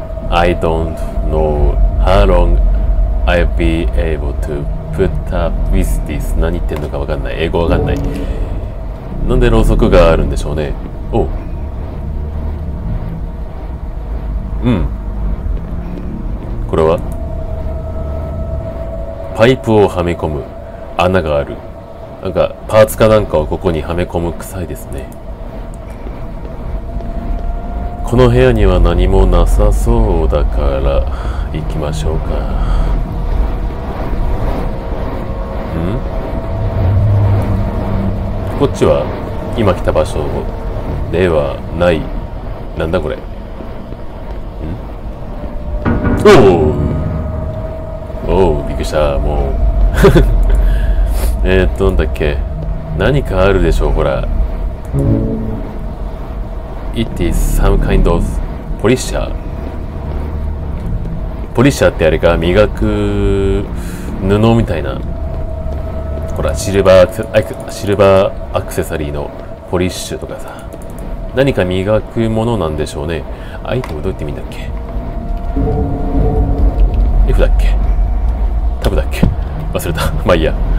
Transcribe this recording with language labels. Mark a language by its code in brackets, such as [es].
[en] I don't know how longI'll be able to put up with this. [ja] 何言ってんのかわかんない。英語わかんない。なんでろうそくがあるんでしょうね。おう。うん。これは？パイプをはめ込む穴がある。なんか、パーツかなんかをここにはめ込む臭いですね。この部屋には何もなさそうだから、行きましょうか。こっちは今来た場所ではない。なんだこれ。ん、おおおお、びっくりした。もうなんだっけ。何かあるでしょう。ほら、 [en] It is some kind of polisher。 [ja] ポリッシャーってあれか、磨く布みたいな。ほらシルバーアクセサリーのポリッシュとかさ、何か磨くものなんでしょうね。アイテムどうやって見んだっけ、 F だっけ、タブだっけ、忘れた。まあいいや。